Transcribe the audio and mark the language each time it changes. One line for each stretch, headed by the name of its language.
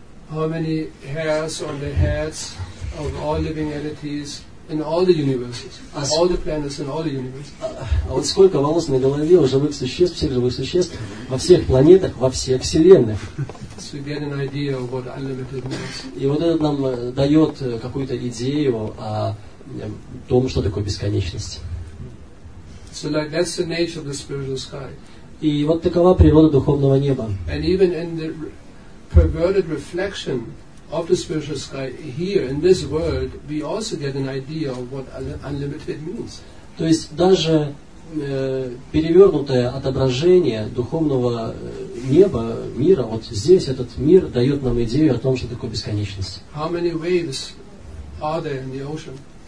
English: How many hairs on the heads of all living entities in all the universes, all the planets in all the universes?
Russian: А вот сколько волос на голове у живых существ, всех живых существ во всех планетах, во всех Вселенных?
English: So you get an idea of what unlimited means.
Russian: И вот это нам дает какую-то идею о том, что такое бесконечность.
English: So like that's the nature of the spiritual sky.
Russian: И вот такова природа духовного неба.
English: And even in the perverted reflection of the spiritual sky here in this world, we also get an idea of what unlimited means.
Russian: То есть даже перевернутое отображение духовного неба, мира, вот здесь этот мир дает нам идею о том, что такое бесконечность.
English: How many waves are there in the ocean?